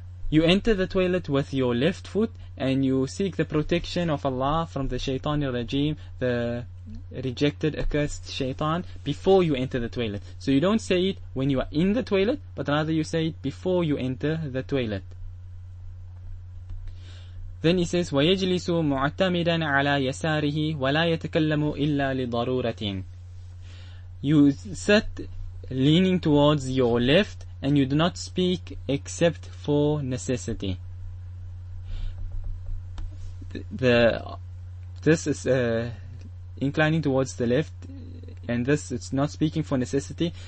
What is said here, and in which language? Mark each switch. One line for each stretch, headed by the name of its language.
English: You enter the toilet with your left foot and you seek the protection of Allah from the shaytan al-rajim, the rejected, accursed shaytan, before you enter the toilet. So you don't say it when you are in the toilet, but rather you say it before you enter the toilet. Then he says,
Arabic: وَيَجْلِسُ مُعْتَمِدًا عَلَى يَسَارِهِ وَلَا يَتَكَلَّمُ إِلَّا لِضَرُورَةٍ.
English: You sit leaning towards your left, and you do not speak except for necessity. This is inclining towards the left, and this is not speaking for necessity.